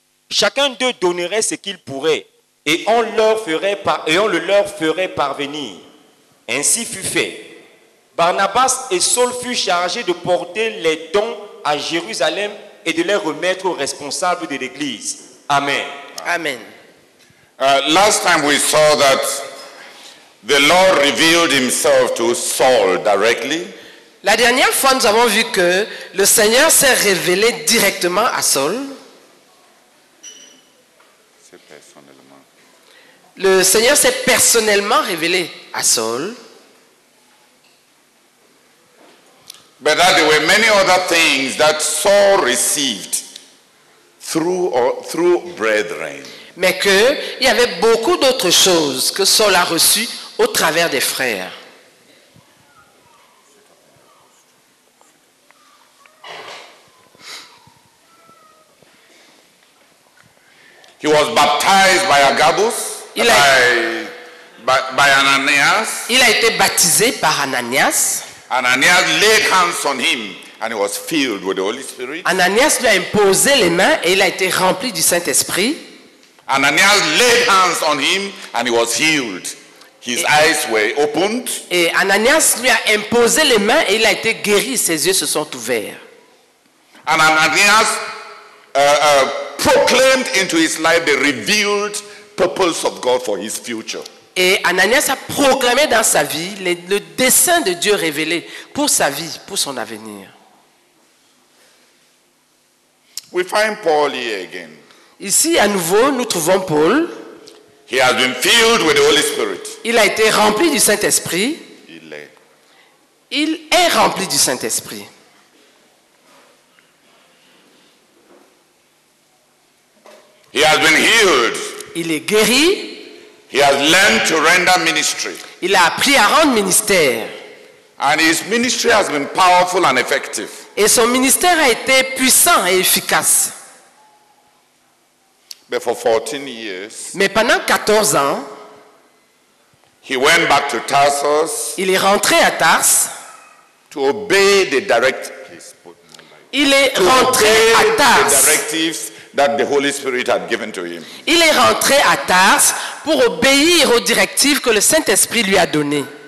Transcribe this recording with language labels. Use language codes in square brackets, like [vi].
[fr] Chacun d'eux donnerait ce qu'il pourrait et on le leur ferait parvenir. Ainsi fut fait. Barnabas et Saul furent chargés de porter les dons à Jérusalem et de les remettre aux responsables de l'Église. Amen. Amen. [en] Last time we saw that the Lord revealed himself to Saul directly. [fr] La dernière fois, nous avons vu que le Seigneur s'est révélé directement à Saul. C'est personnellement. Le Seigneur s'est personnellement révélé à Saul. [en] But that there were many other things that Saul received through brethren. [fr] Mais que il y avait beaucoup d'autres choses que Saul a reçues au travers des frères. [en] He was baptized by Agabus, by Ananias. [fr] Il a été baptisé par Ananias. [en] Ananias laid hands on him and he was filled with the Holy Spirit. [fr] Ananias lui a imposé les mains et il a été rempli du Saint-Esprit. [en] Ananias laid hands on him and he was healed. His eyes were opened. [fr] Et Ananias lui a imposé les mains et il a été guéri, ses yeux se sont ouverts. [en] And Ananias proclaimed into his life the revealed purpose of God for his future. [fr] Et Ananias a proclamé dans sa vie le dessein de Dieu révélé pour sa vie, pour son avenir. [en] We find Paul here again. [fr] Ici, à nouveau, nous trouvons Paul. [en] He has been filled with the Holy Spirit. [fr] Il a été rempli du Saint-Esprit. Il est. Il est rempli du Saint-Esprit. [en] has been healed. [fr] Il est guéri. [en] He has learned to render ministry. [fr] Il a appris à rendre ministère. [en] And his ministry has been powerful and effective. [fr] Et son ministère a été puissant et efficace. [en] But for 14 years, [fr] mais pendant 14 ans, [en] he went back to Tarsus. [fr] Il est rentré à Tars. [en] To obey the direct. [fr] Il est rentré à Tars. [en] The directives that the Holy Spirit had given to him. [fr] Il est rentré à Tars pour obéir aux directives que le Saint-Esprit lui a données.